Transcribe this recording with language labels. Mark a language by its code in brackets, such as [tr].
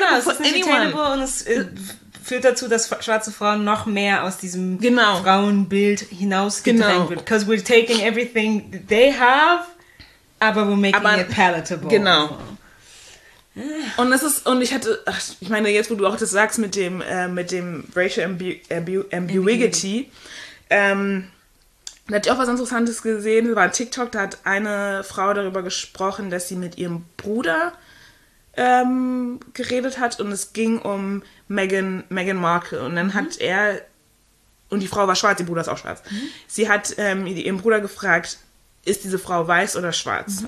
[de] Es ist nicht [en] attainable [de] für [en] anyone, [de] und es führt dazu, dass schwarze Frauen noch mehr aus diesem Frauenbild hinausgedrängt wird. [en] Because we're taking everything they have, [de] aber [en] we're making it palatable. [de] Genau. Und es ist, und ich hatte, ach, ich meine, jetzt wo du auch das sagst mit dem Racial Ambiguity, da hatte ich auch was Interessantes gesehen, war ein TikTok, da hat eine Frau darüber gesprochen, dass sie mit ihrem Bruder geredet hat und es ging um Meghan Markle und dann hat er, und die Frau war schwarz, ihr Bruder ist auch schwarz, sie hat ihren Bruder gefragt, ist diese Frau weiß oder schwarz? Mhm.